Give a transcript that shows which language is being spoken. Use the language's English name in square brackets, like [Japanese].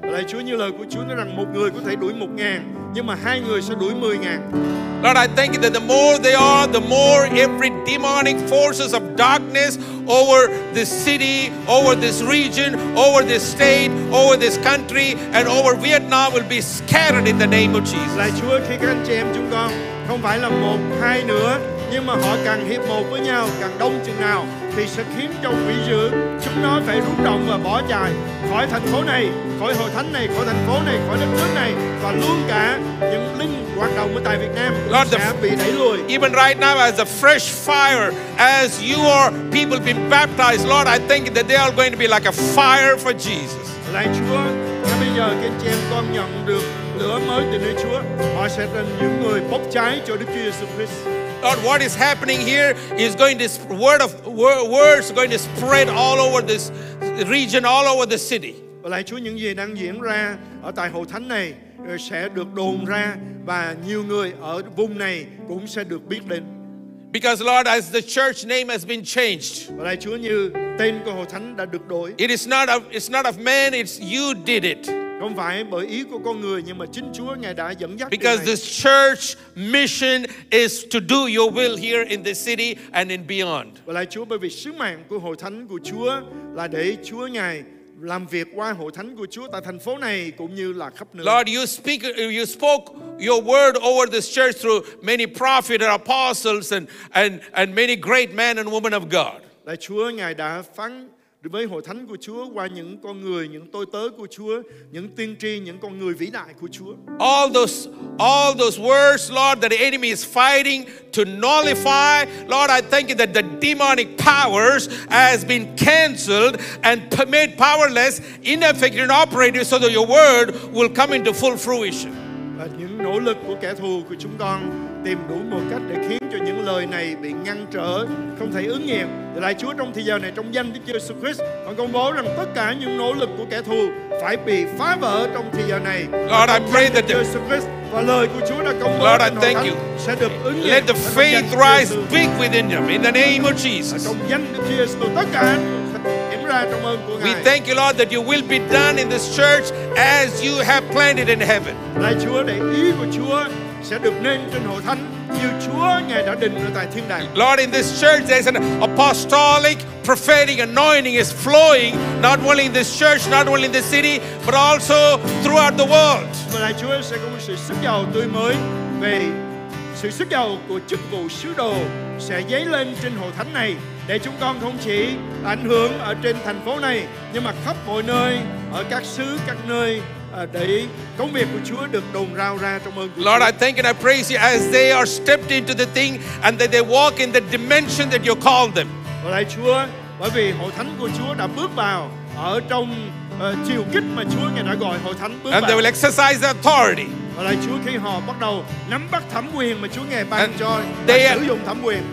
[English] Lord, I thank you that the more they are, the more every demonic forces of darkness over this city, over this region, over this state, over this country, and over Vietnam will be scattered in the name of Jesus. [Vietnamese] Lạy Chúa, khi các anh chị em chúng con không phải là một, hai nữa, nhưng mà họ càng hiệp một với nhau, càng đông chừng nào, thì sẽ khiến cho quỷ dữ chúng nó phải rút động và bỏ chạy khỏi thành phố này, khỏi hội thánh này, khỏi thành phố này, khỏi đất nước này, và luôn cả những linh hoạt động ở tại Việt Nam cũng sẽ bị đẩy lùi. [English] Even right now, as a fresh fire, as you are people being baptized, Lord, I think that they are going to be like a fire for Jesus. [Vietnamese] Lạy Chúa, ngay bây giờ các chị em con nhận được lửa mới từ nơi Chúa, họ sẽ là những người bốc cháy cho Đức Chúa Jesus Christ. [English] Lord, what is happening here is going to words going to spread all over this region, all over the city. [Vietnamese] Lạy Chúa, những gì đang diễn ra ở tại hội thánh này sẽ được đồn ra và nhiều người ở vùng này cũng sẽ được biết đến. [English] Because Lord, as the church name has been changed. [Vietnamese] Lạy Chúa, như tên của hội thánh đã được đổi. [English] It's not of man. It's you did it. [Vietnamese] Không phải bởi ý của con người, nhưng mà chính Chúa Ngài đã dẫn dắt. [English] Because this church mission is to do your will here in this city and in beyond. [Vietnamese] Lạy Chúa, bởi vì sứ mạng của hội thánh của Chúa là để Chúa Ngài làm việc qua hội thánh của Chúa tại thành phố này cũng như là khắp nơi. [English] Lord, you spoke your word over this church through many prophets and apostles and many great men and women of God. [Vietnamese] Lạy Chúa, Ngài đã phán với hội thánh của Chúa qua những con người, những tôi tớ của Chúa, những tiên tri, những con người vĩ đại của Chúa. [English] All those words, Lord, that the enemy is fighting to nullify, Lord, I thank you that the demonic powers has been canceled and made powerless, ineffective, and operative, so that your word will come into full fruition. [Vietnamese] Và những nỗ lực của kẻ thù của chúng con tìm đủ mọi cách để khiến cho những lời này bị ngăn trở, không thể ứng nghiệm. Lạy Chúa, trong thời giờ này, trong danh Đức Chúa Jesus Christ, con công bố rằng tất cả những nỗ lực của kẻ thù phải bị phá vỡ trong thời giờ này. [English] Lord, I pray that the [Vietnamese] Jesus Christ và lời của Chúa đã công bố. [English] Lord, I thank you. [Vietnamese] Sẽ được ứng nghiệm. [English] Let the faith rise big within them in the name of Jesus. [Vietnamese] Trong danh Đức Chúa Jesus, tất cả em ra trong ơn của Ngài. [English] We thank you, Lord, that you will be done in this church as you have planned in heaven. [Vietnamese] Lạy Chúa, để ý của Chúa sẽ được nên trên hội thánh như Chúa Ngài đã định ở tại thiên đàng. [English] Lord, in this church there's an apostolic prophetic anointing is flowing not only in this church, not only in this city, but also throughout the world. [Vietnamese] Và Lạy Chúa, sẽ có một sự sức dầu tươi mới về sự sức dầu của chức vụ sứ đồ sẽ dấy lên trên hội thánh này để chúng con không chỉ ảnh hưởng ở trên thành phố này nhưng mà khắp mọi nơi, ở các xứ, các nơi, để công việc của Chúa được đồn rao ra trong ơn của [English] Lord, I thank and I praise you as they are stepped into the thing and that they walk in the dimension that you called them. [Vietnamese] Lạy Chúa, bởi vì hội thánh của Chúa đã bước vào ở trong chiều kích mà Chúa Ngài đã gọi hội thánh bước vào. [English] And they will exercise the authority. [Vietnamese] Lạy Chúa, khi họ bắt đầu nắm bắt thẩm quyền mà Chúa Ngài ban cho, sử dụng thẩm quyền.